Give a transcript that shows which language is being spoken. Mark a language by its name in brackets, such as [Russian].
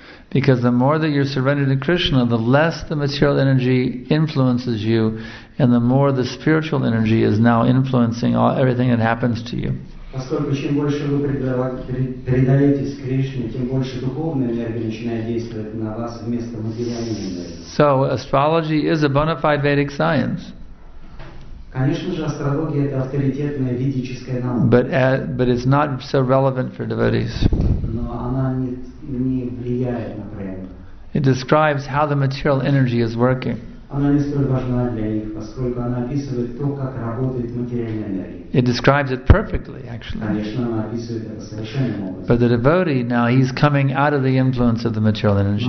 [English] Because the more that you're surrendered to Krishna, the less the material energy influences you, and the more the spiritual energy is now influencing everything that happens to you. [Russian] Поскольку чем больше вы предаетесь Кришне, тем больше духовная энергия начинает действовать на вас вместо материальной энергии. [English] So astrology is a bona fide Vedic science. [Russian] Конечно же, астрология это авторитетная ведическая наука. [English] But it's not so relevant for devotees. [Russian] Но она не влияет на преданных. [English] It describes how the material energy is working. [Russian] Она не столь важна для них, поскольку она описывает то, как работает материальная энергия. [English] It describes it perfectly, actually. But the devotee, now he's coming out of the influence of the material energy.